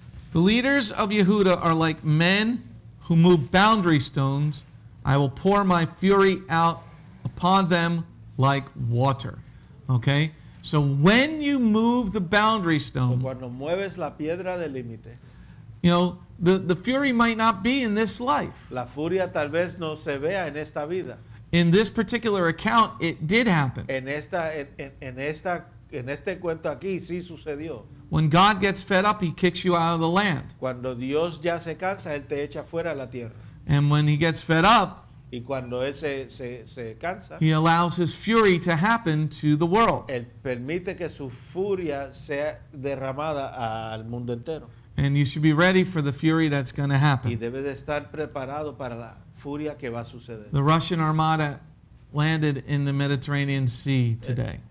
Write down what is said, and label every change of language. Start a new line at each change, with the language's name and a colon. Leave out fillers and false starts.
English: The leaders of Yehuda are like men who move boundary stones. I will pour my fury out upon them like water. Okay? So when you move the boundary stone,
Spanish: cuando mueves la piedra del límite,
English: you know, the fury might not be in this life.
Spanish: La furia tal vez no se vea en esta vida.
English: In this particular account, it did happen.
Spanish: En este cuento aquí, sí sucedió.
English: When God gets fed up, he kicks you out of the land.
Spanish: Cuando Dios ya se cansa, él te echa fuera de la tierra.
English: And when he gets fed up,
Spanish: Y cuando ese se cansa,
English: he allows his fury to happen to the world.
Spanish: Él permite que su furia sea derramada al mundo entero.
English: And you should be ready for the fury that's going to happen.
Spanish: Y debe de estar preparado para la furia que va a suceder.
English: The Russian armada landed in the Mediterranean Sea today.